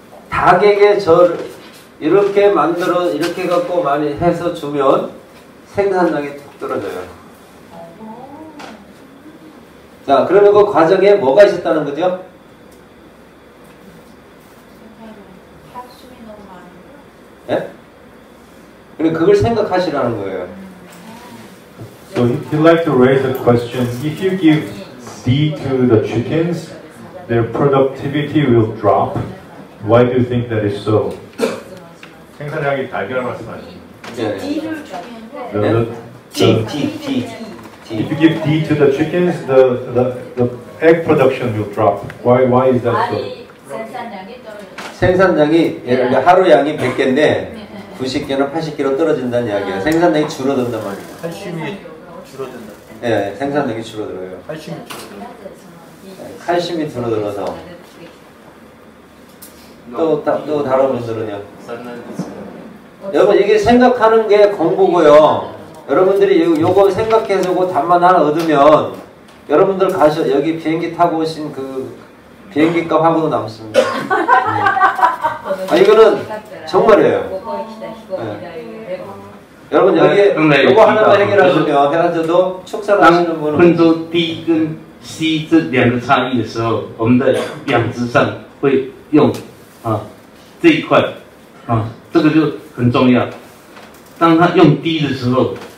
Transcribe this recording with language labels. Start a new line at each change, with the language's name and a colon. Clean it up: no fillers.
Korean: 닭에게 절 이렇게 만들어 이렇게 갖고 많이 해서 주면 생산량이 뚝 떨어져요. 자, 그러면 그 과정에 뭐가 있었다는 거죠? 합숨이 너무 많아요. 예? 그럼 그걸 생각하시라는 거예요.
English: So he'd like to raise a question. If you give D to the chickens, their productivity will drop. Why do you think that is so?
Korean: 생산량이 달걀 말씀하시는 거예요. D를 줬는데. D.
English: If you give D to the chickens, the egg production will drop. Why is that so?
Korean: 생산량이 예를 들어 하루 양이 100개인데 90개는 80개로 떨어진다는 이야기예요. 생산량이 줄어든단 말이에요. 칼슘이 줄어든다. 예, 네, 생산량이 줄어들어요. 칼슘이 줄어들어요. 네, 칼슘이 줄어들어서. 또 다른 분들은요. 여러분 이게 생각하는 게 공부고요. 여러분들이 요거 생각해서 그 답만 하나 얻으면 여러분들 가셔 여기 비행기 타고 오신 그 비행기 값 하고도 남습니다. 아 이거는 정말이에요. 네. 여러분 여기 요거 하나만 해결하시면 해가지고 축산하시는 분은
Chinese: 분도 D跟 C这两个差异的时候，我们的养殖上会用啊这一块啊，这个就很重要。当他用 D的时候。